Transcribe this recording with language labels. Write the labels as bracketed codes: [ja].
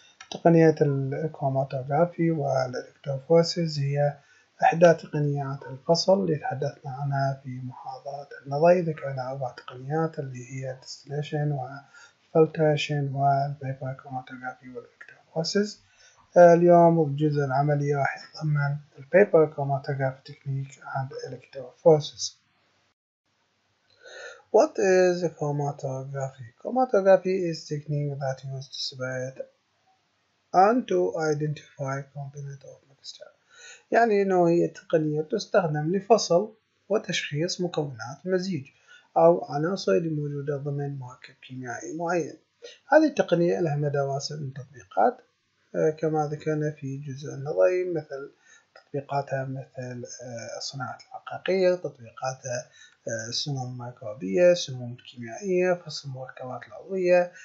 [ar] تقنيات الكروماتوغرافي والإلكتروفوريسيس هي إحدى تقنيات الفصل اللي تحدثنا عنها في محاضرات النظري. ذكرنا أربع تقنيات اللي هي distillation وfiltration والبيبر كروماتوغرافي والإلكتروفوريسيس. اليوم الجزء العملي راح يتضمن البيبر كروماتوغرافي تكنيك عند الإلكتروفوريسيس. [en] What is chromatography? Chromatography is technique that used to separate and to identify component of mixture. [ar] يعني انه هي تقنية تستخدم لفصل وتشخيص مكونات مزيج او عناصر موجودة ضمن مركب كيميائي معين. هذه التقنية لها مدارس من تطبيقات كما ذكرنا في جزء النظري، مثل تطبيقاتها مثل الصناعة الحقيقية، تطبيقاتها السموم الميكروبية، السموم الكيميائية، فصل المركبات العضوية.